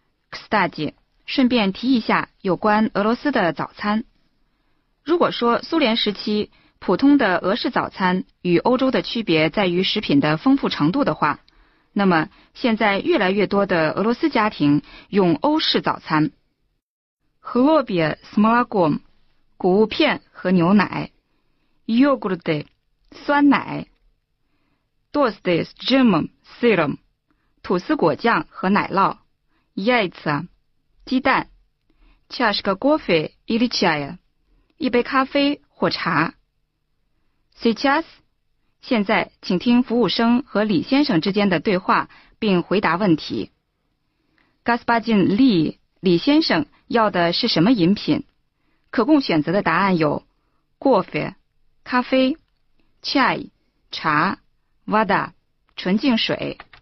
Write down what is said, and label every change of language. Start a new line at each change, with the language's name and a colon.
Russian: Кстати,
Chinese: 顺便提一下有关俄罗斯的早餐。如果说苏联时期, 普通的俄式早餐与欧洲的区别在于食品的丰富程度的话, 那么现在越来越多的俄罗斯家庭用欧式早餐。
Russian: Хлопья с молоком,
Chinese: 谷物片和牛奶,
Russian: йогурты,
Chinese: 酸奶,
Russian: тосты с джемом, сыром,
Chinese: 吐司果酱和奶酪,
Russian: яйца,
Chinese: 鸡蛋,
Russian: чашка кофе или чая,
Chinese: 一杯咖啡或茶。
Russian: Сейчас,
Chinese: 现在请听服务生和李先生之间的对话并回答问题。
Russian: Gaspadin Li,
Chinese: 李先生要的是什么饮品? 可供选择的答案有 кофе, 咖啡, чай, 茶, вода, 纯净水。